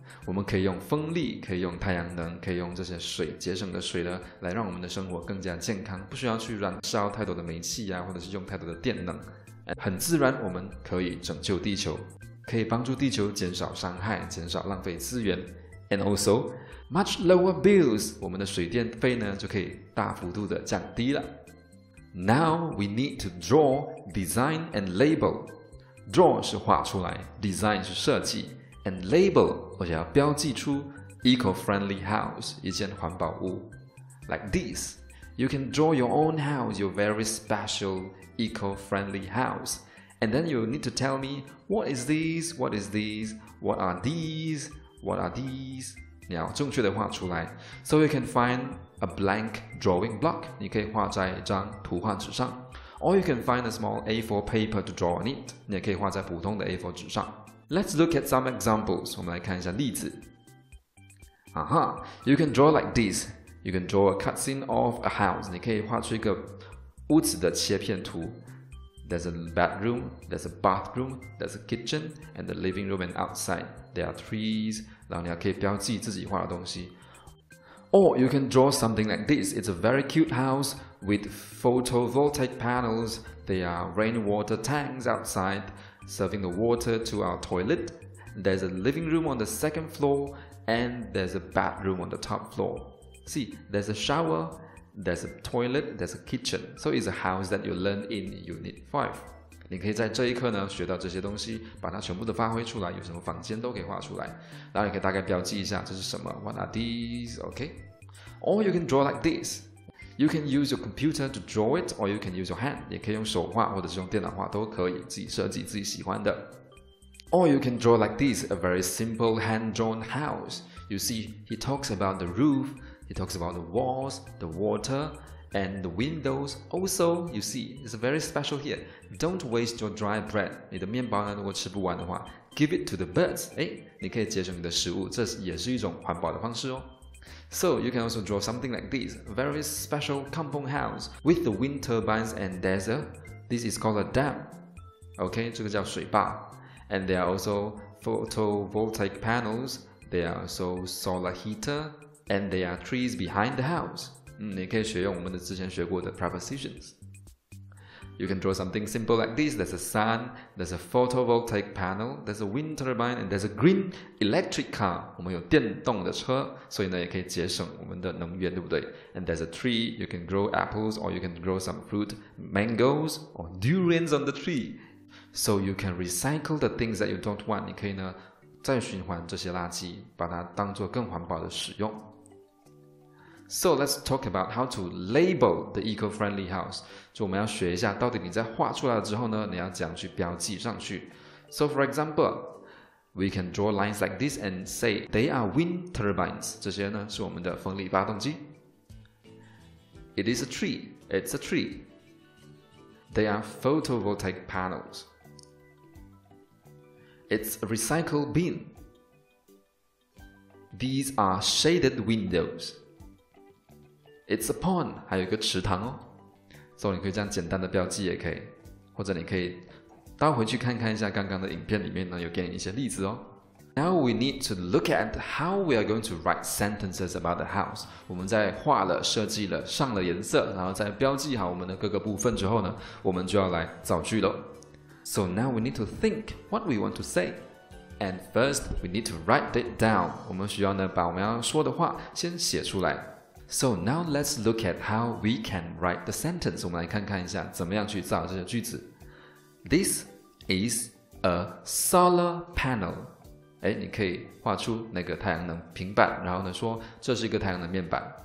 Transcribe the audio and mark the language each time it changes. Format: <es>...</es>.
<zh>我们可以用风力，可以用太阳能，可以用这些水节省的水呢，来让我们的生活更加健康，不需要去燃烧太多的煤气啊，或者是用太多的电能，很自然，我们可以拯救地球，可以帮助地球减少伤害，减少浪费资源 ，</zh> <en>and also much lower bills，</en> <zh>我们的水电费呢就可以大幅度的降低了。</zh> <en>Now we need to draw, design and label.</en> <zh>Draw 是画出来 ，design 是设计。</zh> <en>And label,</en> <zh>我想要标记出 eco-friendly house, 一间环保屋。</zh> <en>Like this, you can draw your own house, your very special eco-friendly house. And then you need to tell me, what is this, what is this, what are these, what are these?</en> <zh>你要正确的画出来。</zh> <en>So you can find a blank drawing block,</en> <zh>你可以画在一张图画纸上。</zh> <en>Or you can find a small A4 paper to draw on it,</en> <zh>你也可以画在普通的 A4 纸上。</zh> <en>Let's look at some examples.</en> <zh>我们来看一下例子。</zh> <en>You can draw like this. You can draw a cutscene of a house.</en> <zh>你可以画出一个屋子的切片图。</zh> <en>There's a bedroom, there's a bathroom, there's a kitchen, and the living room and outside. There are trees.</en> <zh>然后你还可以标记自己画的东西。</zh> <en>Or you can draw something like this. It's a very cute house with photovoltaic panels. There are rainwater tanks outside. Serving the water to our toilet. There's a living room on the second floor, and there's a bathroom on the top floor. See, there's a shower, there's a toilet, there's a kitchen. So it's a house that you learn in Unit 5.</en> <zh>你可以在这一课呢学到这些东西，把它全部都发挥出来，有什么房间都可以画出来。然后你可以大概标记一下这是什么。</zh> <en>What are these? Okay. Or you can draw like this. You can use your computer to draw it, or you can use your hand.</en> <zh>也可以用手画，或者是用电脑画，都可以自己设计自己喜欢的。</zh> <en>Or you can draw like this, a very simple hand-drawn house. You see, he talks about the roof, he talks about the walls, the water, and the windows. Also, you see, it's very special here. Don't waste your dry bread.</en> <zh>你的面包呢，如果吃不完的话 ，</zh> <en>give it to the birds.</en> <zh>你可以节省你的食物，这也是一种环保的方式哦。</zh> <en>So you can also draw something like this, a very special kampung house with the wind turbines and there's a, this is called a dam. Okay,</en> <zh>这个叫水坝。</zh> <en>And there are also photovoltaic panels, there are also solar heater, and there are trees behind the house.</en> <zh>你可以学用我们的之前学过的 prepositions.</zh> <en>You can draw something simple like this. There's a sun, there's a photovoltaic panel, there's a wind turbine, and there's a green electric car.</en> <zh>我们有电动的车，所以呢也可以节省我们的能源，对不对？</zh> <en>And there's a tree. You can grow apples or you can grow some fruit, mangoes or durians on the tree. So you can recycle the things that you don't want.</en> <zh>你可以呢再循环这些垃圾，把它当作更环保的使用。</zh> <en>So let's talk about how to label the eco-friendly house.</en> <zh>就我们要学一下，到底你在画出来之后呢，你要怎样去标记上去。</zh> <en>So for example, we can draw lines like this and say they are wind turbines.</en> <zh>这些呢是我们的风力发动机。</zh> <en>It is a tree. It's a tree. They are photovoltaic panels. It's a recycled bin. These are shaded windows. It's a pond.</en> <zh>还有一个池塘哦。所以你可以这样简单的标记也可以。或者你可以倒回去看看一下刚刚的影片里面呢有给你一些例子哦。</zh> <en>Now we need to look at how we are going to write sentences about the house.</en> <zh>我们在画了、设计了、上了颜色，然后再标记好我们的各个部分之后呢，我们就要来造句了。</zh> <en>So now we need to think what we want to say. And first, we need to write it down.</en> <zh>我们需要呢把我们要说的话先写出来。</zh> <en>So now let's look at how we can write the sentence.</en> <zh>我们来看看一下怎么样去造这些句子。</zh> <en>This is a solar panel.</en> <zh>哎，你可以画出那个太阳能平板，然后呢说这是一个太阳能面板。</zh>